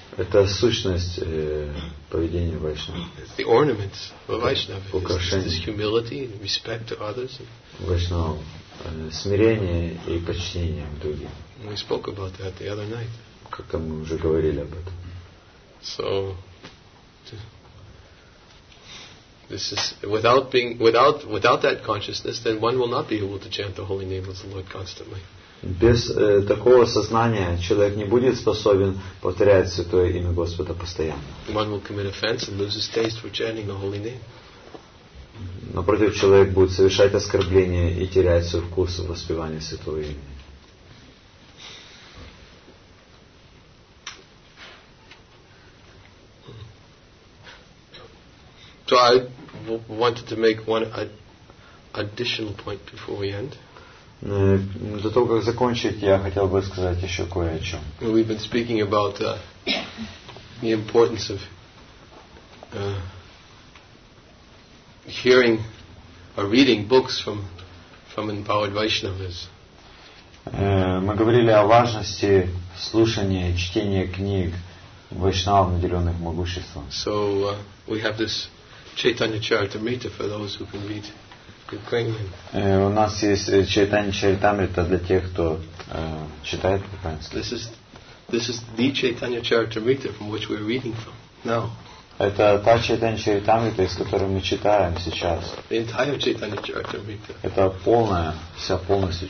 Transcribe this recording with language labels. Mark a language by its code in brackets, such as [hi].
[ru] Это сущность поведения Вайшнава. [en] It's the ornament of Vaishnava. [ru] Украшение. [en] This humility, respect to others. [ru] Вайшнава. Смирение и почтение к другим. [en] We spoke about that the other night. [ru] Как мы уже говорили об этом. [en] So, this is without that consciousness, then one will not be able to chant the holy name of the Lord constantly. [ru] Без такого сознания человек не будет способен повторять Святое Имя Господа постоянно. [en] One will commit offense and lose his taste for chanting the holy name. [ru] Напротив, человек будет совершать оскорбление и терять свой вкус в воспевании Святого Имени. [en] So I wanted to make one additional point before we end. [ru] До того, как закончить, я хотел бы сказать еще кое о чем. [en] We've been speaking about the importance of hearing or reading books from empowered Vaishnavas. [ru] Мы говорили о важности слушания и чтения книг вайшнавов, наделенных могуществом. [en] So we have this Chaitanya Charitamrita for those who can read Ukrainian. [ru] У нас есть Chaitanya Charitamrita для тех, кто читает по-украински. [en] This is the Chaitanya Charitamrita from which we're reading from now. [ru] Это та Чайтанья Чаритамрита, из которой мы читаем сейчас. Это полная, вся полностью